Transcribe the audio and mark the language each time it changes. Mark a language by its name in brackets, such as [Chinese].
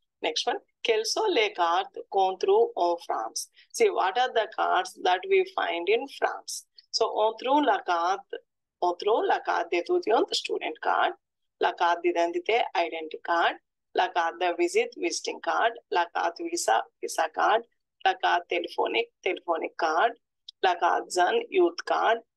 [English] Next one, [French] quels sont les cartes qu'on trouve en France? [English] See, what are the cartes that we find in France? [French] So, on trouve la carte d'étudiant, [English] the student card, [French] la carte d'identité, [English] identity card, [French] la carte de visite, [English] visiting card, [French] la carte visa, [English] visa card, [French] la carte téléphonique, [English] telephonic card, [French] la carte jeune, [English] youth card.